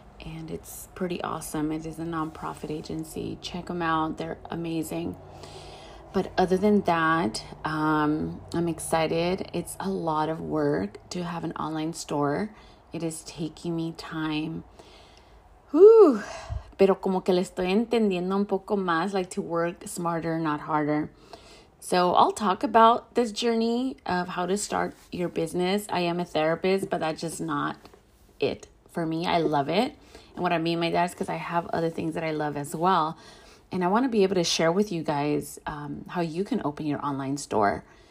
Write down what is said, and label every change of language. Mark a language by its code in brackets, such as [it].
[en] And it's pretty awesome. It is a nonprofit agency. Check them out. They're amazing. But other than that, I'm excited. It's a lot of work to have an online store. It is taking me time. Whew. [es] Pero como que le estoy entendiendo un poco más, [en] like to work smarter, not harder. So I'll talk about this journey of how to start your business. I am a therapist, but that's just not it for me. I love it. And what I mean by that is because I have other things that I love as well. And I want to be able to share with you guys how you can open your online store.